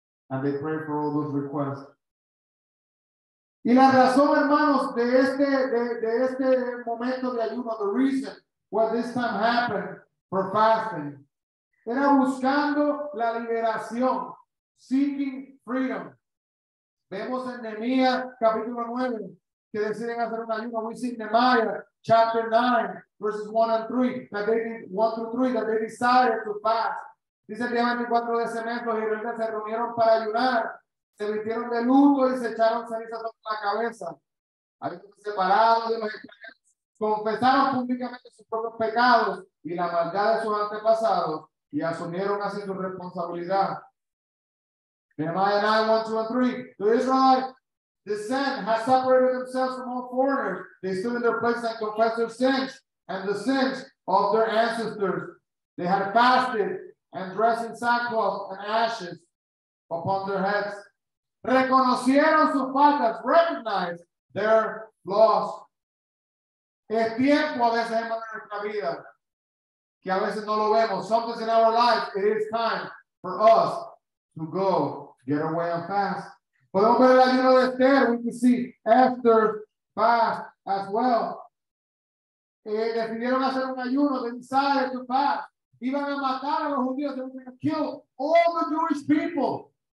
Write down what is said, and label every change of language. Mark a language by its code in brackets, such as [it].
[en] And they pray for all those requests. [es] Y la razón, hermanos, de este momento de ayuno, [en] the reason why this time happened for fasting, [es] era buscando la liberación, [en] seeking freedom. [es] Vemos en Nehemías capítulo 9, que deciden hacer un ayuno. [en] We see Nehemiah chapter 9, verses 1 and 3, that they did, 1 through 3, that they decided to fast. [es] Dice el día 24 de ese mes, los israelitas se reunieron para ayunar. Se vistieron de luto y se echaron cenizas sobre la cabeza. Habían separado de los extranjeros. Confesaron públicamente sus propios pecados y la maldad de sus antepasados y asumieron así su responsabilidad. [en] Nehemiah 9, 1, 2, and 3. The Israelites, the sin has separated themselves from all foreigners. They stood in their place and confessed their sins and the sins of their ancestors. They had fasted and dressed in sackcloth and ashes upon their heads. [es] Reconocieron sus faltas, [en] recognize their loss. [es] Es tiempo a veces en nuestra vida que a veces no lo vemos. [en] Sometimes in our life, it is time for us to go get away and fast. [es] Podemos ver el ayuno de Esther, [en] we can see after fast as well. [es] Decidieron hacer un ayuno, [en] they decided to fast. [es] Iban a matar a los judíos, [en] they were going to kill all the Jewish people.